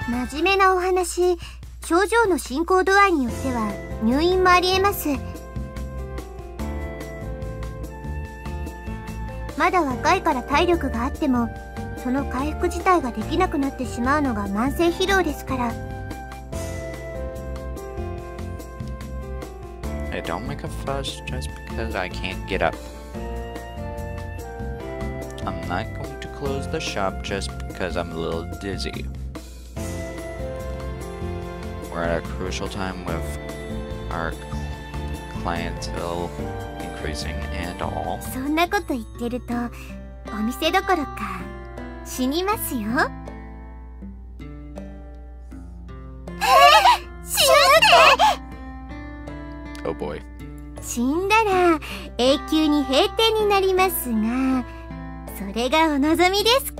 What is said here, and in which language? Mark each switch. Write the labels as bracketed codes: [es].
[ja] 真面目なお話、症状の進行度合いによっては入院もありえます。まだ若いから体力があっても、 その回復自体ができなくなってしまうのが慢性疲労ですから。 [en] I don't make a fuss just because I can't get up. I'm not going to close the shop just because I'm a little dizzy. We're at a crucial time with our clientele increasing and all. [ja] そんなこと言ってると、お店どころか。死にますよ?え?死ぬって? [en] Oh boy. [ja] 死んだら永久に閉店になりますが、 それがお望みですか?